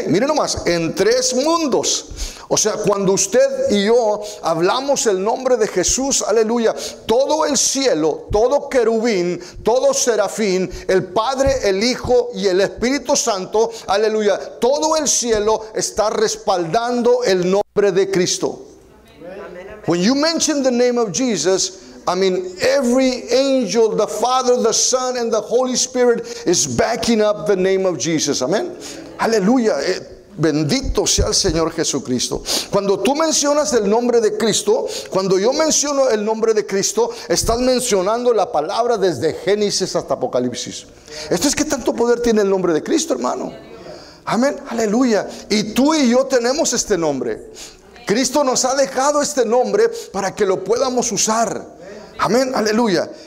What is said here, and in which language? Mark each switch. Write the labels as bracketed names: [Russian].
[Spanish] Miren nomás, en tres mundos. O sea, cuando usted y yo hablamos el nombre de Jesús, aleluya, todo el cielo, todo querubín, todo serafín, el Padre, el Hijo y el Espíritu Santo, aleluya, todo el cielo está respaldando el nombre de Cristo. [English] When you mention the name of Jesus, I mean, every angel, the Father, the Son, and the Holy Spirit is backing up the name of Jesus. Amen. Aleluya. [Spanish] Bendito sea el Señor Jesucristo. Cuando tú mencionas el nombre de Cristo, cuando yo menciono el nombre de Cristo, estás mencionando la palabra desde Génesis hasta Apocalipsis. Esto es que tanto poder tiene el nombre de Cristo, hermano. Amén, aleluya. Y tú y yo tenemos este nombre. Cristo nos ha dejado este nombre para que lo podamos usar. Amén, aleluya.